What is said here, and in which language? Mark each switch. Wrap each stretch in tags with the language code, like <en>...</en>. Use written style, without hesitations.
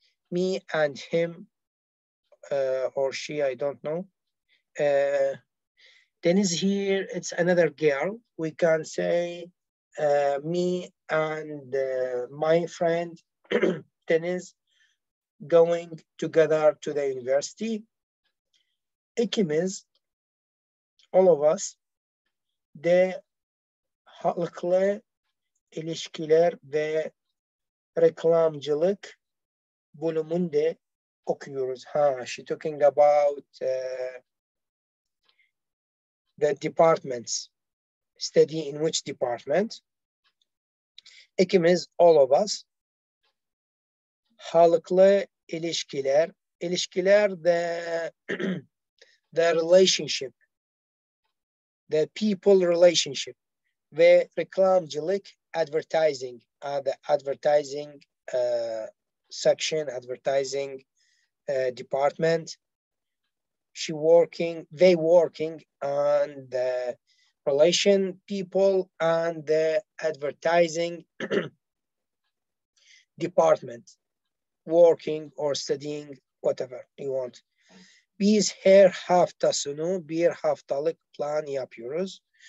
<en>Me and him, or she, I don't know. Deniz here, it's another girl. We can say me and my friend Deniz going together to the university.</en> <tr>İkimiz,</tr> <en>all of us,</en> <tr>de halkla ilişkiler ve reklamcılık bölümünde okuyoruz.</tr> <en>Ha, she talking about the departments. Study in which department? İkimiz, all of us.</en> <tr>Halkla ilişkiler. İlişkiler de</tr> <en>the relationship. The people relationship.</en> <tr>Ve reklamcılık,</tr> <en>advertising. The advertising section, advertising department. She working, they working on the relation people and the advertising department, working or studying, whatever you want.</en> <tr>Biz her hafta sonu bir haftalık plan yapıyoruz.</tr>